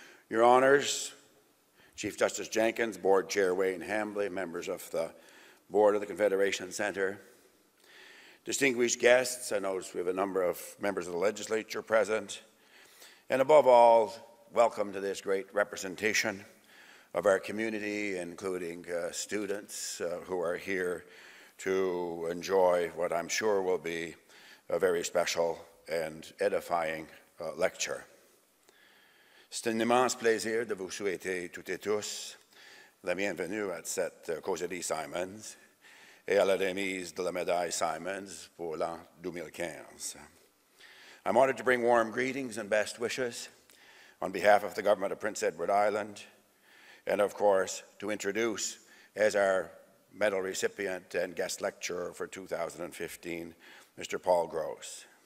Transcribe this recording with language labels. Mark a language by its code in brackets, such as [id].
[en] Your honors, Chief Justice Jenkins, Board Chair Wayne Hambly, members of the Board of the Confederation Center, distinguished guests, I notice we have a number of members of the legislature present, and above all, welcome to this great representation of our community, including students who are here to enjoy what I'm sure will be a very special and edifying lecture. [fr] C'est un immense plaisir de vous souhaiter toutes et tous la bienvenue à cette causerie Symons et à la remise de la médaille Symons pour l'an 2015. [en] I'm honored to bring warm greetings and best wishes on behalf of the government of Prince Edward Island and, of course, to introduce as our medal recipient and guest lecturer for 2015, Mr. Paul Gross.